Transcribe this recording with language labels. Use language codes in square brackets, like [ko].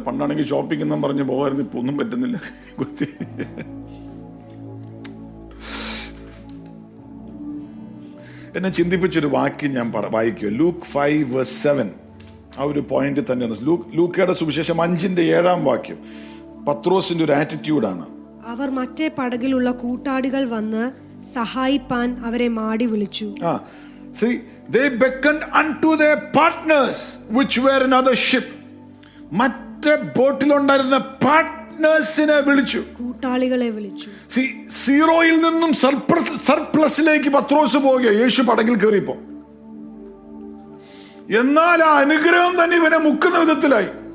[ml] പണ്ടാണെങ്കിൽ shopping എന്നും പറഞ്ഞ് പോകാറുണ്ട്, ഇപ്പൊ ഒന്നും പറ്റുന്നില്ല. കുത്തി എന്നെ ചിന്തിപ്പിച്ചൊരു വാക്യം ഞാൻ വായിക്കുമോ? ലൂക്ക് 5:7. ആ ഒരു പോയിന്റ് തന്നെ ലൂക്കയുടെ സുവിശേഷം 5:7 വാക്യം. പത്രോസിന്റെ ഒരു ആറ്റിറ്റ്യൂഡാണ്. അവർ മറ്റേ പടകിലുള്ള കൂട്ടാടികൾ വന്ന് സഹായിപ്പാൻ അവരെ മാടി വിളിച്ചു. [en] They beckoned unto their partners which were in other ship. [ml] മറ്റേ ബോട്ടിലുണ്ടായിരുന്ന പാർട്ട്നേഴ്സിനെ വിളിച്ചു, കൂട്ടാളികളെ വിളിച്ചു. സീറോയിൽ നിന്നും സർപ്ലസിലേക്ക് പത്രോസ് പോവുക, യേശു പടകിൽ കയറിപ്പോ. എന്നാൽ ആ അനുഗ്രഹം തന്നെ ഇവനെ മുക്കുന്ന വിധത്തിലായി.